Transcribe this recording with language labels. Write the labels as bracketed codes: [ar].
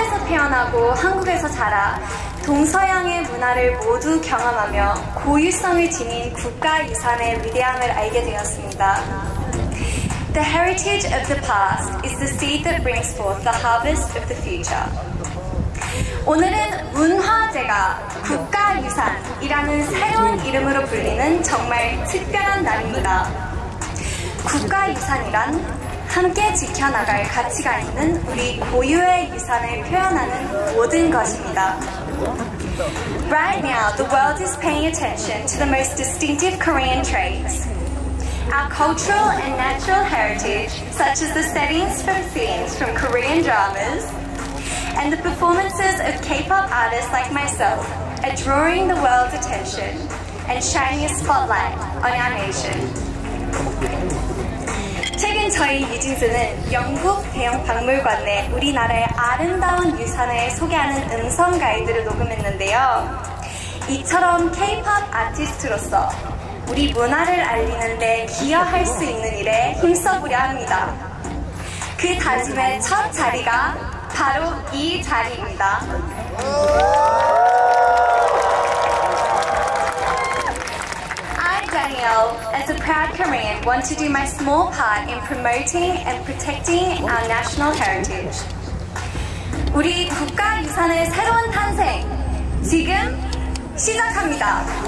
[ko] 태어나고 한국에서 자라 동서양의 문화를 모두 경험하며 고유성을 지닌 국가 유산의 위대함을 알게 되었습니다. [en] The heritage of the past is the seed that brings forth the harvest of the future. [ko] 오늘은 문화재가 국가 유산이라는 새로운 이름으로 불리는 정말 특별한 날입니다. 국가 유산이란 함께 지켜나갈 가치가 있는 우리 고유의 유산을 표현하는 모든 것입니다. [en] Right now, the world is paying attention to the most distinctive Korean traits. Our cultural and natural heritage, such as the settings for scenes from Korean dramas, and the performances of K-pop artists like myself, are drawing the world's attention and shining a spotlight on our nation. [ko] 최근 저희 유진수는 영국 대형 박물관 내 우리나라의 아름다운 유산을 소개하는 음성 가이드를 녹음했는데요. 이처럼 K-pop 아티스트로서 우리 문화를 알리는 데 기여할 수 있는 일에 힘써보려 합니다. 그 다짐의 첫 자리가 바로 이 자리입니다. [en] Danielle, as a proud Korean, want to do my small part in promoting and protecting our national heritage. [ko] 우리 국가 유산의 새로운 탄생 지금 시작합니다.